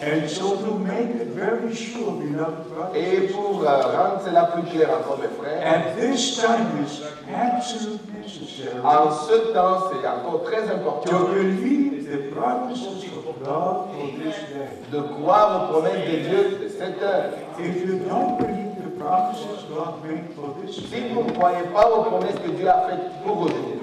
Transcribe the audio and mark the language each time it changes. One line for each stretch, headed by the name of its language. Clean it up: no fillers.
English: And so to make it very sure, beloved brothers.
French: Et pour rendre cela plus clair encore, mes frères.
English: At this time is absolutely necessary.
French: En ce temps, c'est encore très important.
English: To believe the promises of God for this day.
French: De croire aux promesses de Dieu de cette heure.
English: If you don't believe the promises God made for this day.
French: Si vous ne croyez pas aux promesses que Dieu a faites pour aujourd'hui.